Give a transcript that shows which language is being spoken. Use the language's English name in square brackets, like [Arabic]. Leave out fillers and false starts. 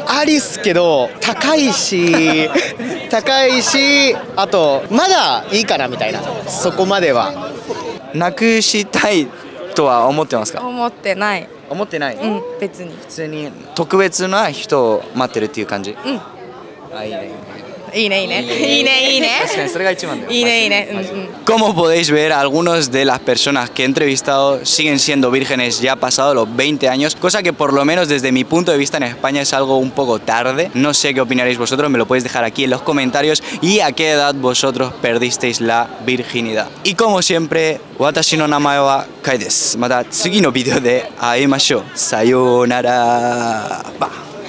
[Japanese] ありっすけど、高いし高いし、あとまだいいかなみたいな。そこまではなくしたいとは思ってますか？思ってない。思ってない。うん、別に普通に特別な人を待ってるっていう感じ。うん。あ、いいね。いいねいいねいいねいいね。確かにそれが一番だよ。いいねいいね。 [Spanish] Como podéis ver, algunos de las personas que he entrevistado siguen siendo vírgenes ya pasados los 20 años, cosa que por lo menos desde mi punto de vista en España es algo un poco tarde. No sé qué opinaréis vosotros, me lo podéis dejar aquí en los comentarios. ¿Y a qué edad vosotros perdisteis la virginidad? Y como siempre, [Japanese] 私の名前は Kai です。また次のビデオで会いましょう。さようなら。バッ。